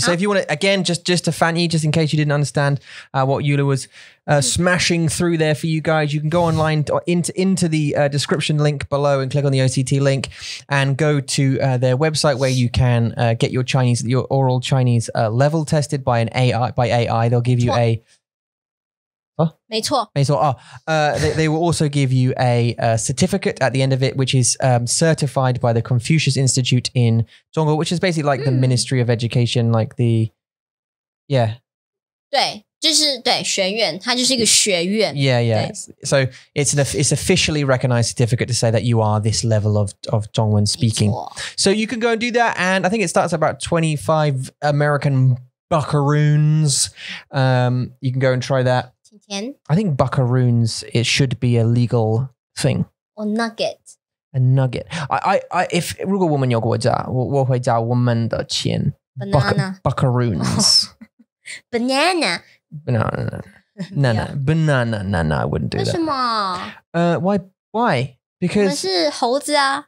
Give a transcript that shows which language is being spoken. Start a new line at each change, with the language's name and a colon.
English: So if you want to, again, just to fan you, just in case you didn't understand what Yula was smashing through there for you guys, you can go online into the description link below and click on the OCT link and go to their website where you can get your Chinese, your oral Chinese level tested by AI. They'll give you a...
Chinese: 没错。
English: They will also give you a certificate at the end of it, which is certified by the Confucius Institute in Zhongguo, which is basically like the Ministry of Education, like the, yeah.
Chinese: 对,学院, 它就是一个学院。
English: Yeah, yeah. So it's officially recognized certificate to say that you are this level of Zhongguo speaking.
Chinese: 没错。
English: So you can go and do that, and I think it starts at about 25 American buckaroons. You can go and try that. I think buckaroons, it should be a legal thing. Or nugget. A nugget.
Chinese: I if 如果我们有国家, 我会叫我们的钱,
English: banana. Buckaroons. Banana. Banana. Banana. I wouldn't do that.
Chinese: 为什么?
English: Why? Because
Chinese: 我们是猴子啊,